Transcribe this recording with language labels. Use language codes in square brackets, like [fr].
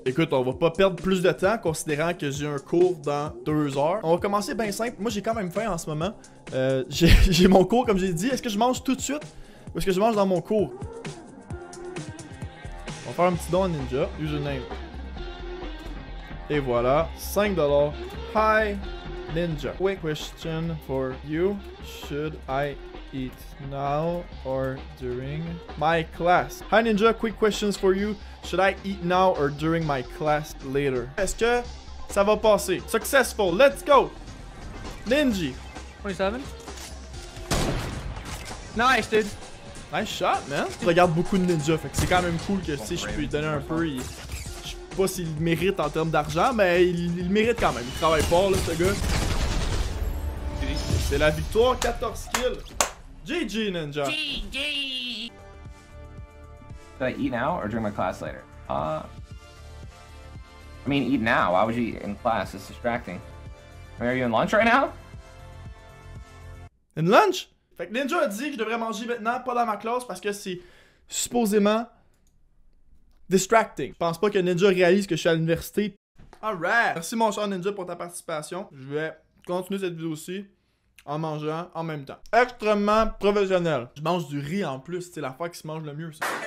[fr] Écoute, on va pas perdre plus de temps, considérant que j'ai un cours dans 2 heures. On va commencer bien simple, moi j'ai quand même faim en ce moment. J'ai mon cours, comme j'ai dit, est-ce que je mange tout de suite? Ou est-ce que je mange dans mon cours? On va faire un petit don à Ninja, username. Et voilà, 5$. [en] Hi! Ninja, quick question for you. Should I eat now or during my class? Hi Ninja, quick questions for you. Should I eat now or during my class later? [fr] Est-ce que ça va passer? [en] Successful, let's go! [fr] Ninji! 27. [en] Nice, dude! Nice shot, man! [fr] Je regarde beaucoup de Ninja, fait que c'est quand même cool que si je peux lui donner un peu. Je sais pas s'il mérite en termes d'argent, mais il mérite quand même. Il travaille fort, là, ce gars. C'est la victoire, 14 kills. GG Ninja. GG. [en] Should I eat now or during my class later? I mean, eat now. Why would you eat in class? It's distracting. I mean, are you in lunch right now? In lunch? [fr] Fait que Ninja a dit que je devrais manger maintenant, pas dans ma classe, parce que c'est supposément distracting. Je pense pas que Ninja réalise que je suis à l'université. [en] Alright. [fr] Merci mon cher Ninja pour ta participation. Je vais continuer cette vidéo-ci. En mangeant en même temps. Extrêmement professionnel. Je mange du riz en plus, c'est l'affaire qui se mange le mieux, ça.